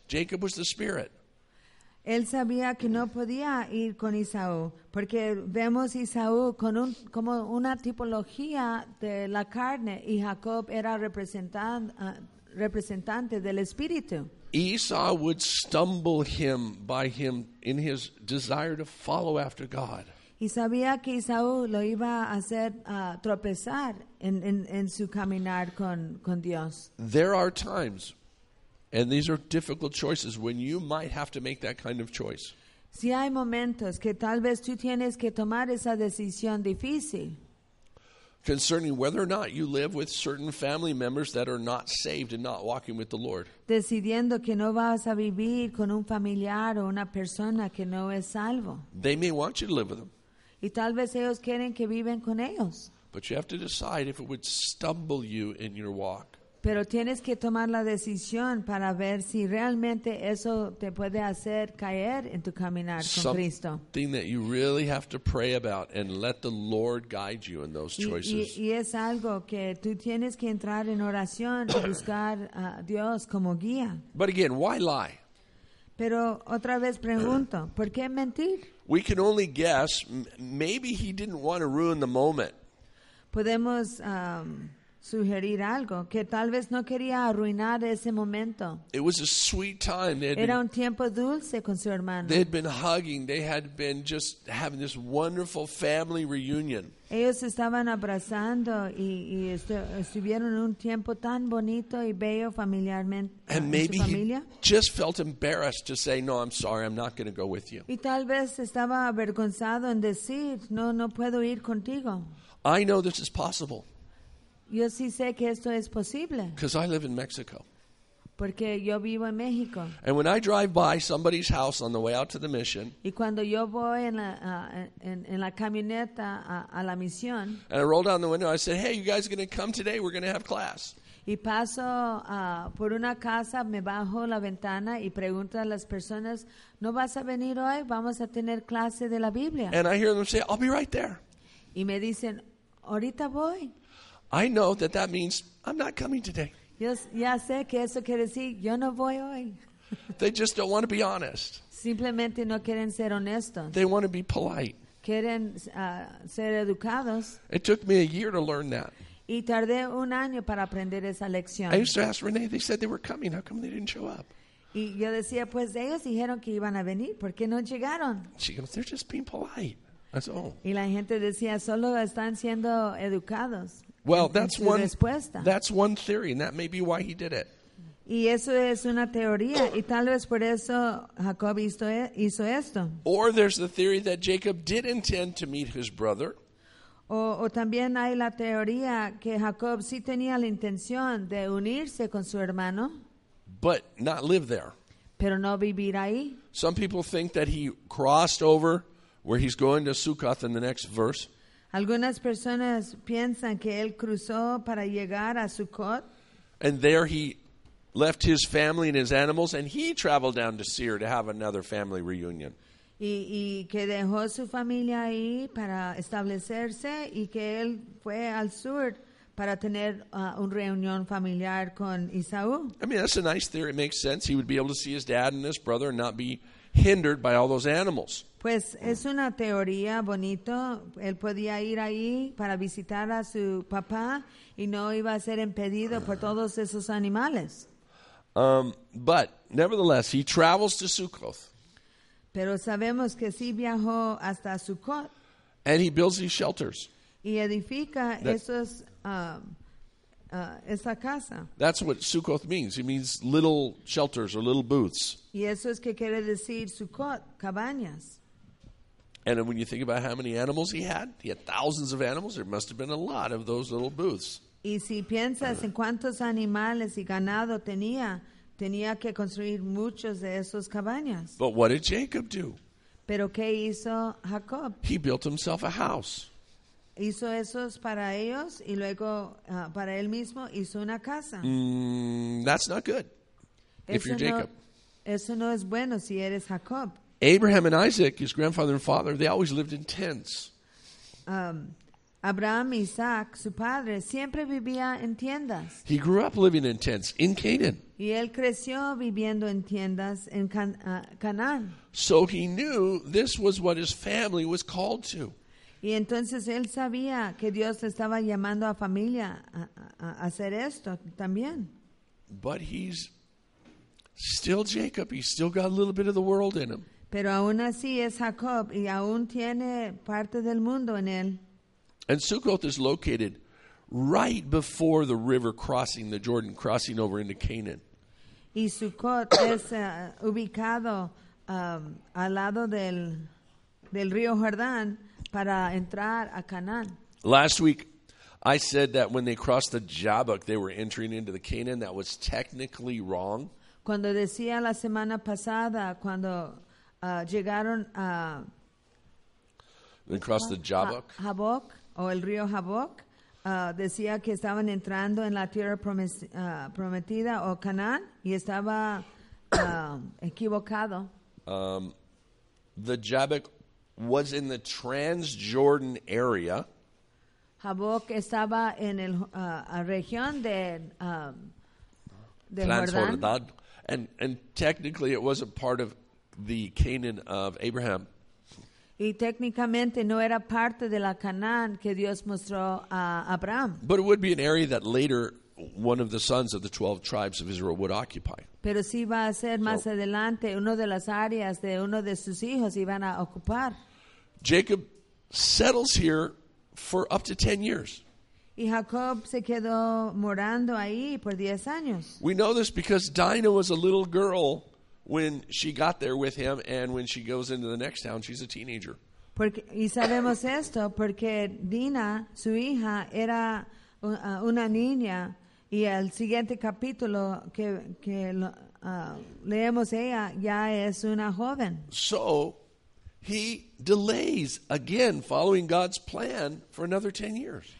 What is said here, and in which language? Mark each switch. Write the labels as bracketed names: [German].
[English] Jacob was the spirit. [Spanish] Él sabía que no podía ir con Esau porque vemos Esau como una tipología de la carne, y Jacob era representante del espíritu. [English] Esau would stumble him by him in his desire to follow after God. [Spanish] Y sabía que Esau lo iba a hacer tropezar en su caminar con Dios. [English] There are times, and these are difficult choices, when you might have to make that kind of choice. [Spanish] Si hay momentos que tal vez tú tienes que tomar esa decisión difícil. [English] Concerning whether or not you live with certain family members that are not saved and not walking with the Lord. [Spanish] Decidiendo que no vas a vivir con un familiar o una persona que no es salvo. [English] They may want you to live with them. [Spanish] Y tal vez ellos quieren que viven con ellos. [English] But you have to decide if it would stumble you in your walk. [Spanish] Pero tienes que tomar la decisión para ver si realmente eso te puede hacer caer en tu caminar con Cristo. [English] Something that you really have to pray about and let the Lord guide you in those choices. [Spanish] Y es algo que tú tienes que entrar en oración y buscar a Dios como guía. [English] But again, why lie? [Spanish] Pero otra vez pregunto, ¿por qué mentir? [English] We can only guess. Maybe he didn't want to ruin the moment. [Spanish] Podemos sugerir algo, que tal vez no quería arruinar ese momento. [English] It was a sweet time. [Spanish] Era un tiempo dulce con su hermano. [English] They had been hugging. They had been just having this wonderful family reunion. [Spanish] Ellos estaban abrazando y estuvieron un tiempo tan bonito y bello familiarmente en su familia. [English] And maybe he just felt embarrassed to say, no, I'm sorry, I'm not going to go with you. [Spanish] Y tal vez estaba avergonzado en decir, no puedo ir contigo. [English] I know this is possible. [Spanish] Yo sí sé que esto es posible. [English] Because I live in Mexico. [Spanish] Porque yo vivo en México. [English] And when I drive by somebody's house on the way out to the mission, [Spanish] y cuando yo voy en la camioneta a la misión, [English] and I roll down the window, I said, hey, you guys are going to come today, we're going to have class. [Spanish] Y paso por una casa, me bajo la ventana y pregunto a las personas, ¿no vas a venir hoy? Vamos a tener clase de la Biblia. [English] And I hear them say, I'll be right there. [Spanish] Y me dicen, ahorita voy. [English] I know that means I'm not coming today. [Spanish] Ya sé que eso quiere decir yo no voy hoy. [English] They just don't want to be honest. [Spanish] Simplemente no quieren ser honestos. [English] They want to be polite. [Spanish] Quieren ser educados. [English] It took me a year to learn that. [Spanish] Y tardé un año para aprender esa lección. [English] I used to ask Renee, they said they were coming, how come they didn't show up? [Spanish] Y yo decía, pues ellos dijeron que iban a venir, ¿por qué no llegaron? [English] She goes, they're just being polite. That's all. [Spanish] Y la gente decía, solo están siendo educados. [English] Well, that's one theory, and that may be why he did it. [Spanish] Y eso es una teoría, y tal vez por eso Jacob hizo esto. [English] Or there's the theory that Jacob did intend to meet his brother. [Spanish] O también hay la teoría que Jacob sí tenía la intención de unirse con su hermano. [English] But not live there. [Spanish] Pero no vivir ahí. [English] Some people think that he crossed over where he's going to Sukkoth in the next verse. [Spanish] Algunas personas piensan que él cruzó para llegar a Sukkot. [English] And there he left his family and his animals and he traveled down to Seir to have another family reunion. [Spanish] Y que dejó su familia ahí para establecerse y que él fue al sur para tener una reunión familiar con Esaú. [English] I mean, that's a nice theory. It makes sense. He would be able to see his dad and his brother and not be hindered by all those animals. [Spanish] Pues es una teoría bonito. Él podía ir ahí para visitar a su papá y no iba a ser impedido por todos esos animales. [English] But nevertheless, he travels to Sukkoth. [Spanish] Pero sabemos que sí viajó hasta Sukkot. [English] And he builds these shelters. [Spanish] Y edifica esa casa. [English] That's what Sukkoth means. It means little shelters or little booths. [Spanish] Y eso es que quiere decir Sukkot, cabañas. [English] And when you think about how many animals he had thousands of animals. There must have been a lot of those little booths. [Spanish] Y si piensas en cuántos animales y ganado tenía, tenía que construir muchos de esos cabañas. [English] But what did Jacob do? [Spanish] Pero qué hizo Jacob? [English] He built himself a house. [Spanish] Hizo esos para ellos y luego para él mismo hizo una casa. [English] That's not good. If you're Jacob. [Spanish] Eso no es bueno si eres Jacob. [English] Abraham and Isaac, his grandfather and father, they always lived in tents. [Spanish] Abraham y Isaac, su padre, siempre vivía en tiendas. [English] He grew up living in tents in Canaan. [Spanish] Y él creció viviendo en tiendas en Canaán. [English] So he knew this was what his family was called to. [Spanish] Y entonces él sabía que Dios estaba llamando a familia a hacer esto también. [English] But he's still Jacob. He's still got a little bit of the world in him. [Spanish] Pero aún así es Jacob y aún tiene parte del mundo en él. [English] And Sukkoth is located right before the river crossing the Jordan, crossing over into Canaan. [Spanish] Y Sukkoth es ubicado al lado del río Jordán para entrar a Canaán. [English] Last week, I said that when they crossed the Jabbok, they were entering into the Canaan. That was technically wrong. [Spanish] Cuando decía la semana pasada, cuando llegaron a... [English] They crossed the Jabbok. [Spanish] Jabbok. o el río Jaboc, decía que estaban entrando en la tierra prometida o Canaán y estaba equivocado. [English] The Jabbok was in the Transjordan area. [Spanish] Jaboc estaba en el región de Transjordan. [English] And technically it wasn't part of the Canaan of Abraham. [Spanish] Y técnicamente no era parte de la Canaán que Dios mostró a Abraham. [English] But it would be an area that later one of the sons of the 12 tribes of Israel would occupy. [Spanish] Pero sí va a ser más adelante una de las áreas de uno de sus hijos iban a ocupar. [English] Jacob settles here for up to 10 years. [Spanish] Y Jacob se quedó morando ahí por 10 años. [English] We know this because Dinah was a little girl when she got there with him, and when she goes into the next town, she's a teenager. [Spanish] Porque, y sabemos esto porque Dina, su hija, era una niña, y el siguiente capítulo que leemos ella ya es una joven. [English] So he delays again, following God's plan for another 10 years.